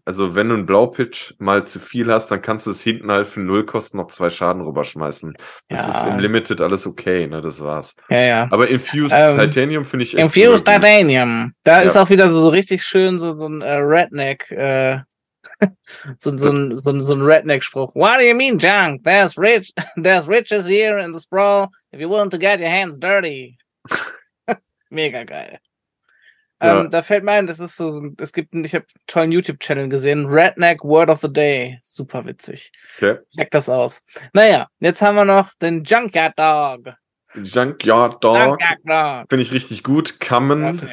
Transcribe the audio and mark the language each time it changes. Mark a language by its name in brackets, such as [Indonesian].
[German] Also wenn du einen Blaupitch mal zu viel hast, dann kannst du es hinten halt für 0 Kosten noch 2 Schaden rüberschmeißen. Das ist im Limited alles okay, ne? Das war's. Ja, ja. Aber Infused Titanium finde ich echt. Infused Titanium. Da ist auch wieder so richtig schön so ein Redneck, so ein Redneck-Spruch. [English] What do you mean, Junk? There's riches here in the sprawl. If you're willing to get your hands dirty. [German] Mega geil. Ja. Da fällt mir ein, ich habe einen tollen YouTube-Channel gesehen. Redneck Word of the Day. Super witzig. Okay. Check das aus. Naja, jetzt haben wir noch den Junkyard Dog. Finde ich richtig gut. Common,